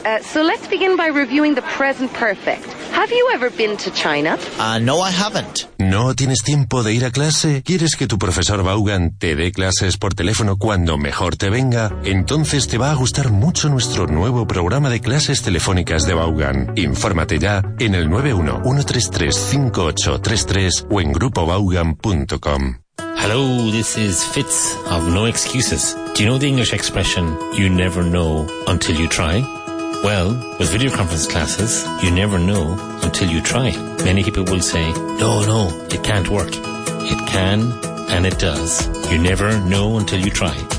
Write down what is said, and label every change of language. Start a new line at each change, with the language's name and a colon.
English: So let's begin by reviewing the present perfect. Have you ever been to China? No, I haven't.
Spanish: ¿No tienes tiempo de ir a clase? ¿Quieres que tu profesor Vaughan te dé clases por teléfono cuando mejor te venga? Entonces te va a gustar mucho nuestro nuevo programa de clases telefónicas de Vaughan. Infórmate ya en el 91-133-5833 o en Grupo Vaughan.
English: Hello, this is Fitz of No Excuses. Do you know the English expression, you never know until you try? Well, with video conference classes, you never know until you try. Many people will say, no, it can't work. It can, and it does. You never know until you try.